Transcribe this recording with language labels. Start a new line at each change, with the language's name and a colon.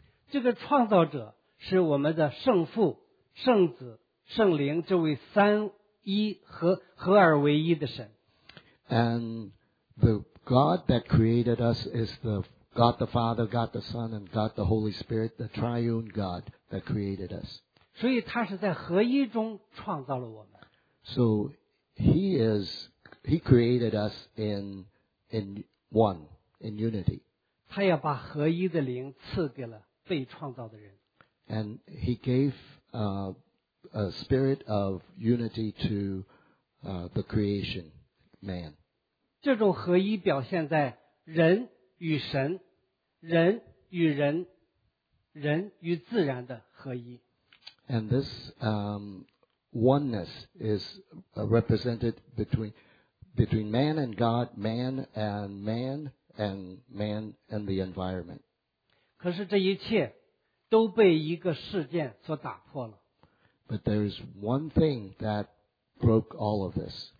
Chinese: 这个创造者是我们的圣父、圣子、圣灵这位三一合而为一的神。
English: And the God that created us is the God the Father, God the Son, and God the Holy Spirit, the triune God that created us.
Chinese: 所以他是在合一中创造了我们。
English: So he created us in one, in unity.
Chinese: 他要把合一的灵赐给了被创造的人。
English: And he gave a spirit of unity to the creation man.
Chinese: 这种合一表现在人与神、人与人、人与自然的合一。
English: And this oneness is represented between man and God, man and man, and man and the environment.
Chinese: 可是这一切都被一个事件所打破了。
English: But there is one thing that broke all of this.